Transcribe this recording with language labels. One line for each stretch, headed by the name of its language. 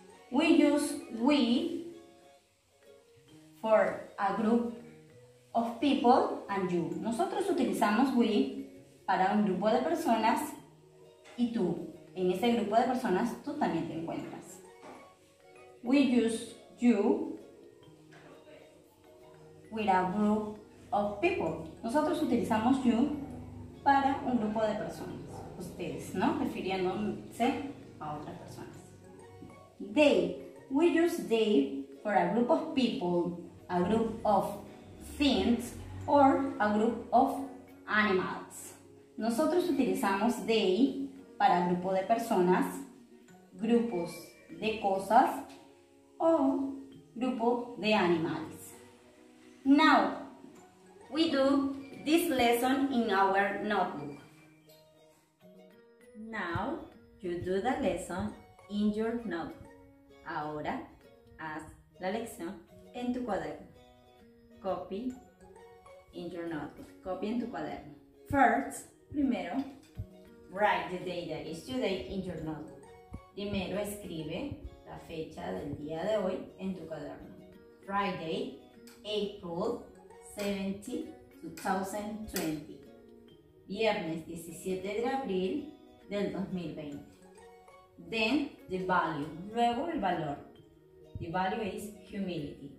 English: We use we for a group of people and you.
Spanish: Nosotros utilizamos we para un grupo de personas y tú. En ese grupo de personas tú también te encuentras.
English: We use you with a group of people.
Spanish: Nosotros utilizamos you para un grupo de personas. Ustedes, ¿no? Refiriéndose a otras personas. They.
English: We use they for a group of people, a group of things, or a group of animals.
Spanish: Nosotros utilizamos they para grupo de personas, grupos de cosas, o grupo de animales.
English: Now, we do this lesson in our notebook. Now, you do the lesson in your notebook.
Spanish: Ahora, haz la lección en tu cuaderno.
English: Copy in your notebook. Copy
Spanish: en tu cuaderno.
English: First, primero, write the day that is today in your notebook.
Spanish: Primero, escribe la fecha del día de hoy en tu cuaderno.
English: Friday, April 17, 2020.
Spanish: Viernes 17 de abril del 2020.
English: Then the value.
Spanish: Luego el valor.
English: The value is humility.